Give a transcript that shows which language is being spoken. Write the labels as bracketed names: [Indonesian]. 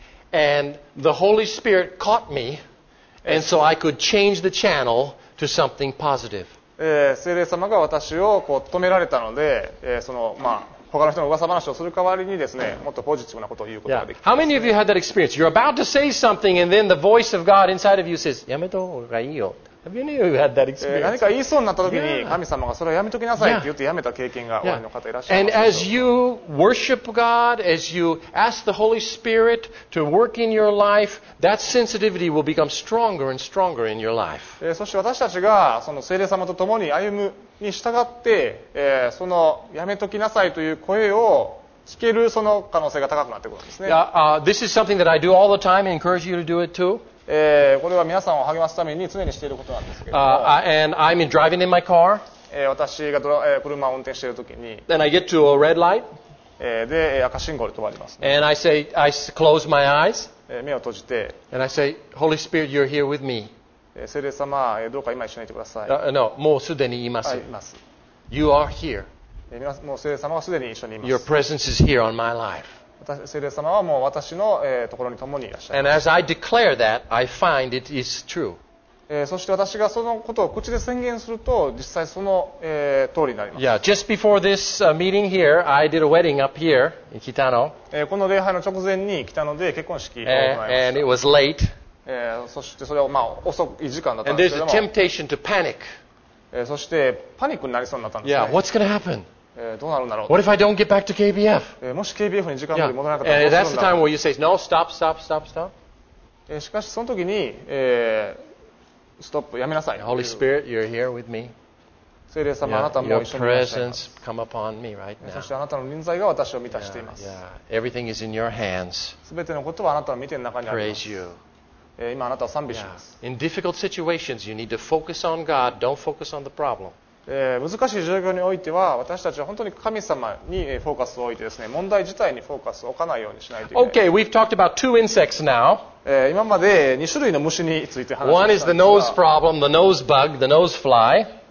[English] And the Holy Spirit caught me, and so I could change the channel to something positive. [Japanese] 聖霊様が私をこう止められたので、まあ、他の人の噂話をする代わりにですね、もっとポジティブなことを言うことができます、ね。 [English] How many of you had that experience? You're about to say something and then the voice of God inside of you says, [Japanese] やめとほうがいいよ。 [English] Have any of you had that experience? [Japanese] 何か言いそうになった時に神様がそれをやめときなさいって言ってやめた経験がおありの方いらっしゃいます。 [English] And as you worship God, as you ask the Holy Spirit to work in your life, that sensitivity will become stronger and stronger in your life. [Japanese] そして私たちがその聖霊様と共に歩むに従って、そのやめときなさいという声を聞けるその可能性が高くなってくるんですね。 [English] This is something that I do all the time. I encourage you to do it too. [Japanese] これは皆さんを励ますために常にしていることなんですけれども、 [English] and I'm driving in my car. [Japanese] 私が車を運転しているときに、 [English] then I get to a red light. [Japanese] で赤信号で止まります、ね。 [English] and I say I close my eyes. [Japanese] 目を閉じて、 [English] and I say Holy Spirit, you're here with me. [Japanese] 聖霊様、どうか今一緒にいてください。 No, もうすでにいます。はい、います。 [English] You are here. [Japanese] もう聖霊様はすでに一緒にいます。 [English] Your presence is here on my life. [Japanese] 聖霊様はもう私のところに共にいらっしゃいます。 [English] And as I declare that, I find it is true. [Japanese] そして私がそのことを口で宣言すると、実際その通りになります。 [English] Yeah, just before this meeting here, I did a wedding up here in Kitano. [Japanese] この礼拝の直前に北野で結婚式を行いました。 [English] And it was late. [Japanese] そしてそれはまあ遅い時間だったんですけども。 [English] And there's a temptation to panic. [Japanese] そしてパニックになりそうになったんですね。 [English] Yeah, what's going to happen? [Japanese] どうなるんだろう。 [English] What if I don't get back to KBF? [Japanese] もし KBF に時間通り戻らなかったら、 [English] yeah. That's the time where you say, no, stop, stop, stop, stop. [Japanese] しかしその時に、ストップ、やめなさい。 [English] Holy Spirit, you're here with me. [Japanese] 聖霊様、あなたも一緒にいらっしゃいます。 [English] Your presence come upon me right now. [Japanese] そしてあなたの臨在が私を満たしています。 [English] Yeah. Everything is in your hands. [Japanese] すべてのことはあなたの見ての中にあります。 [English] Praise you. [Japanese] 今あなたを賛美します。 [English] Yeah. In difficult situations, you need to focus on God. Don't focus on the problem. [Japanese] 難しい状況においては私たちは本当に神様にフォーカスを置いてですね問題自体にフォーカスを置かないようにしないといけない。 [English] Okay, we've talked about two insects now. [Japanese] 今まで2種類の虫について話したんですが、 [English] One is the nose problem, the nose bug, the nose fly.